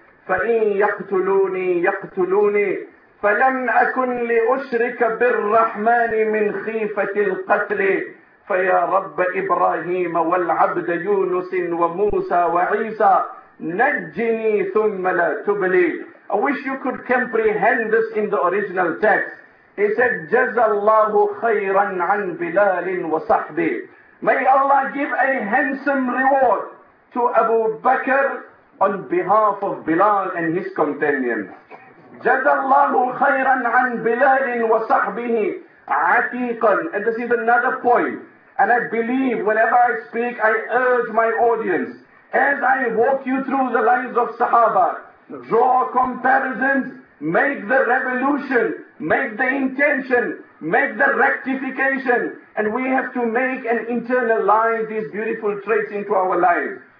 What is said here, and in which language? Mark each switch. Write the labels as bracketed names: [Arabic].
[Arabic] فإن يقتلوني يقتلوني فلم أكن لأشرك بالرحمن من خيفة القتل فيا رب إبراهيم والعبد يونس وموسى وعيسى نجني ثم لا تبلي. [English] I wish you could comprehend this in the original text. He said, [Arabic] جزا الله خيرا عن بلال وصحبي. [English] May Allah give a handsome reward to Abu Bakr on behalf of Bilal and his companions. [Arabic] جزا الله خيرا عن بلال وصحبه عتيقا. [English] And this is another point. And I believe whenever I speak, I urge my audience, as I walk you through the lives of Sahaba, draw comparisons, make the revolution, make the intention, make the rectification, and we have to make and internalize these beautiful traits into our lives.